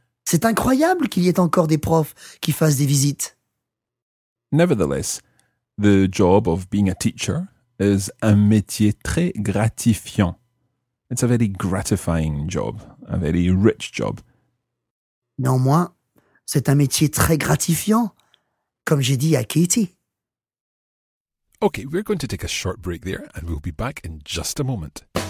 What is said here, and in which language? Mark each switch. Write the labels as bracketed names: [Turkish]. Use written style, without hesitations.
[French] C'est incroyable qu'il y ait encore des profs qui fassent des visites. [English] Nevertheless, the job of being a teacher is [French] un métier très gratifiant. [English] It's a very gratifying job, a very rich job. [French] Néanmoins, c'est un métier très gratifiant, comme j'ai dit à Katie. [English] Okay, we're going to take a short break there and we'll be back in just a moment.